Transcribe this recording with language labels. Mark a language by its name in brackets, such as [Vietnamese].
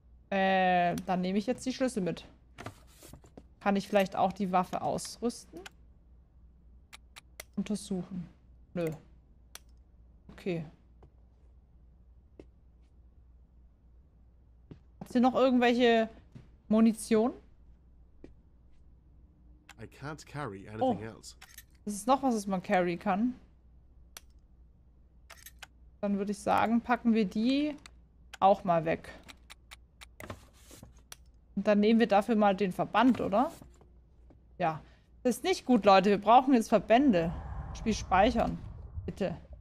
[German] Dann nehme ich jetzt die Schlüssel mit. Kann ich vielleicht auch die Waffe ausrüsten? Untersuchen. Nö. Okay. Sind noch irgendwelche Munition? [English] I can't carry anything else. [German] Das ist noch was, was man carry kann. Dann würde ich sagen, packen wir die auch mal weg. Und dann nehmen wir dafür mal den Verband, oder? Ja. Das ist nicht gut, Leute. Wir brauchen jetzt Verbände. Spiel speichern. Bitte.